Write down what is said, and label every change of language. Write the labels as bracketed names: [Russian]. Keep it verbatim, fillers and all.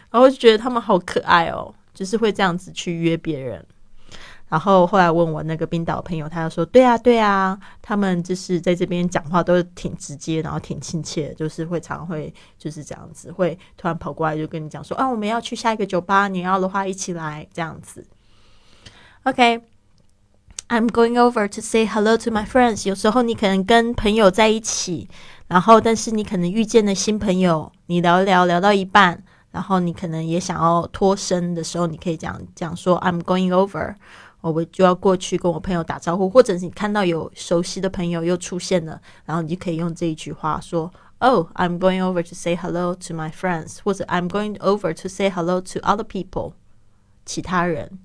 [Chinese] 然后就觉得他们好可爱哦，就是会这样子去约别人。然后后来问我那个冰岛朋友，他就说对啊对啊，他们就是在这边讲话都挺直接，然后挺亲切，就是会常会就是这样子，会突然跑过来就跟你讲说啊，我们要去下一个酒吧，你要的话一起来这样子。 [English] OK， I'm going over to say hello to my friends。 [Chinese] 有时候你可能跟朋友在一起，然后但是你可能遇见了新朋友，你聊聊聊到一半，然后你可能也想要脱身的时候，你可以讲讲说 [English] I'm going over， [Chinese] 我就要过去跟我朋友打招呼，或者是你看到有熟悉的朋友又出现了，然后你就可以用这一句话说 [English] Oh, I'm going over to say hello to my friends， [Chinese] 或者 [English] I'm going over to say hello to other people， [Chinese] 其他人。